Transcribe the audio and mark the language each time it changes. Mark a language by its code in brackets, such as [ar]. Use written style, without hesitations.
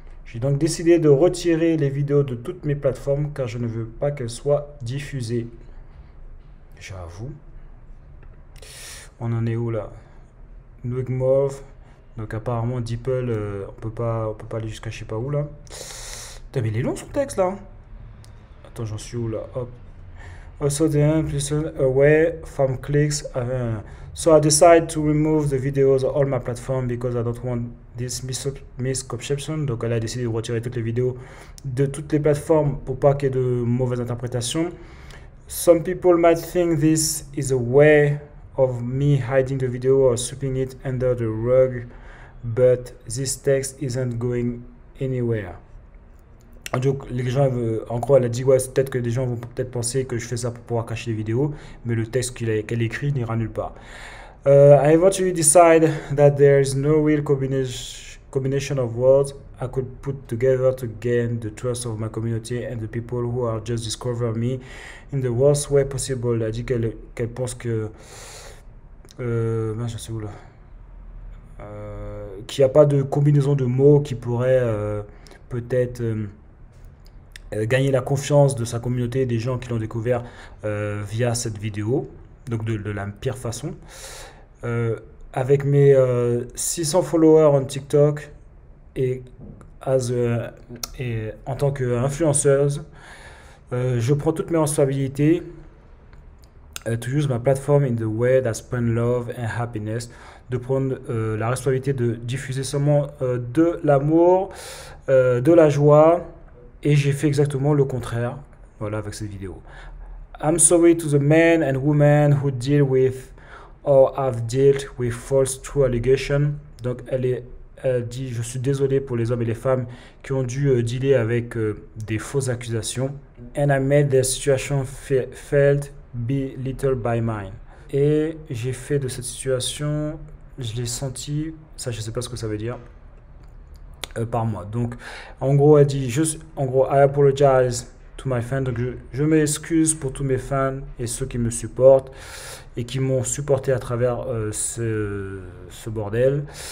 [fr] J'ai donc décidé de retirer les vidéos de toutes mes plateformes car je ne veux pas qu'elles soient diffusées. J'avoue. On en est où là? Nuke Mauve. Donc apparemment Deeple, on peut pas aller jusqu'à je sais pas où là. Putain, mais il est long son texte là. Attends, j'en suis où là? Hop. [en] Also, the implicit away from clicks. So I decided to remove the videos on all my platform because I don't want this misconception. [fr] Donc là, j'ai décidé de retirer toutes les vidéos de toutes les plateformes pour pas qu'il y ait de mauvaises interprétations. [en] Some people might think this is a way of me hiding the video or sweeping it under the rug, but this text isn't going anywhere. [fr] Donc les gens en croient, elle a dit ouais, peut-être que des gens vont peut-être penser que je fais ça pour pouvoir cacher les vidéos, mais le texte qu'elle écrit n'ira nulle part. [en] I eventually decide that there is no real combination of words I could put together to gain the trust of my community and the people who are just discovering me in the worst way possible. [fr] Elle a dit qu'elle pense que je sais où là, qu'il n'y a pas de combinaison de mots qui pourrait peut-être gagner la confiance de sa communauté, des gens qui l'ont découvert via cette vidéo, donc de la pire façon. Avec mes 600 followers en TikTok et en tant qu'influenceuse, je prends toutes mes responsabilités [en] to use my platform in the way that spreads love and happiness, [fr] de prendre la responsabilité de diffuser seulement de l'amour, de la joie. Et j'ai fait exactement le contraire, voilà, avec cette vidéo. [en] I'm sorry to the men and women who deal with or have dealt with false true allegations. [fr] Donc elle dit, je suis désolé pour les hommes et les femmes qui ont dû dealer avec des fausses accusations. [en] And I made their situation felt belittled by mine. [fr] Et j'ai fait de cette situation, je l'ai senti, ça je ne sais pas ce que ça veut dire. Par moi. Donc, en gros, elle dit juste, en gros, [en] I apologize to my fans. [fr] Donc, je m'excuse pour tous mes fans et ceux qui me supportent et qui m'ont supporté à travers ce bordel.